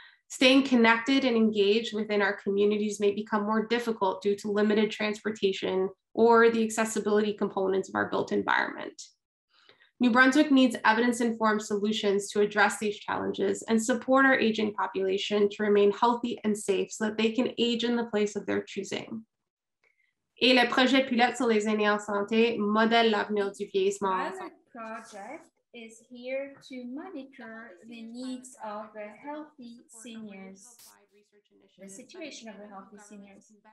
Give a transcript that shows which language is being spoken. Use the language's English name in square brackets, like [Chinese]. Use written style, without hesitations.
[English] Staying connected and engaged within our communities may become more difficult due to limited transportation or the accessibility components of our built environment. New Brunswick needs evidence-informed solutions to address these challenges and support our aging population to remain healthy and safe so that they can age in the place of their choosing. [French] Et le projet pilote sur les aînés en santé modèle l'avenir du vieillissement. [English] Pilot project is here to monitor the needs of the healthy seniors, the situation of the healthy seniors,